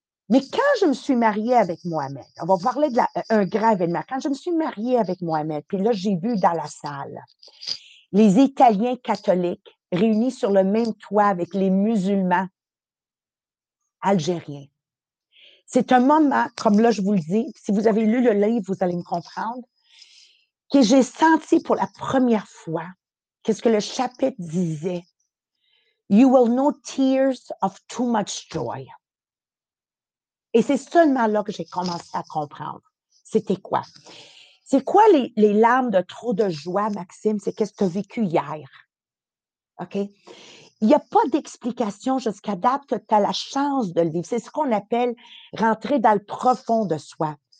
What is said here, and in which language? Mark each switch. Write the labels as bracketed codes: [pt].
[fr] Mais quand je me suis mariée avec Mohamed, on va parler de un grand événement, quand je me suis mariée avec Mohamed, puis là, j'ai vu dans la salle les Italiens catholiques réunis sur le même toit avec les musulmans algériens. C'est un moment, comme là, je vous le dis, si vous avez lu le livre, vous allez me comprendre, que j'ai senti pour la première fois qu'est-ce que le chapitre disait. [en] You will know tears of too much joy. [fr] Et c'est seulement là que j'ai commencé à comprendre. C'était quoi? C'est quoi les larmes de trop de joie, Maxime? C'est qu'est-ce que tu as vécu hier? OK? Il n'y a pas d'explication jusqu'à date que tu as la chance de le vivre. C'est ce qu'on appelle rentrer dans le profond de soi.